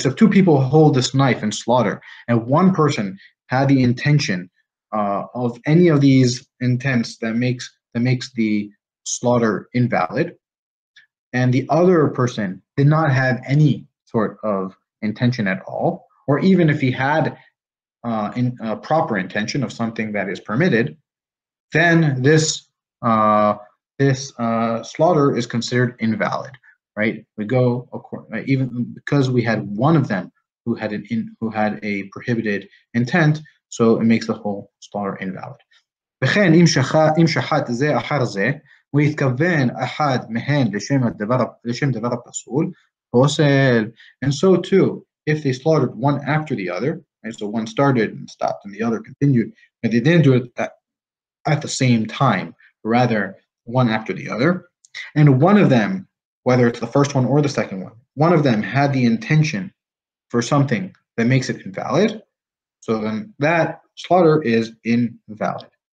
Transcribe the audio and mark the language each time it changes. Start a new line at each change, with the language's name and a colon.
English: So if two people hold this knife in slaughter, and one person had the intention of any of these intents that makes the slaughter invalid, and the other person did not have any sort of intention at all, or even if he had a proper intention of something that is permitted, then this slaughter is considered invalid, right? We go even because we had one of them who had a prohibited intent, so it makes the whole slaughter invalid.
Hebrew: וכן אם שחט זה אחר זה ויתכוון אחד מהן לשם דבר הפסול, פוסל.
English: And so too, if they slaughtered one after the other, and so one started and stopped and the other continued, but they didn't do it at the same time, rather one after the other, and one of them, whether it's the first one or the second one, one of them had the intention for something that makes it invalid, so then that slaughter is invalid.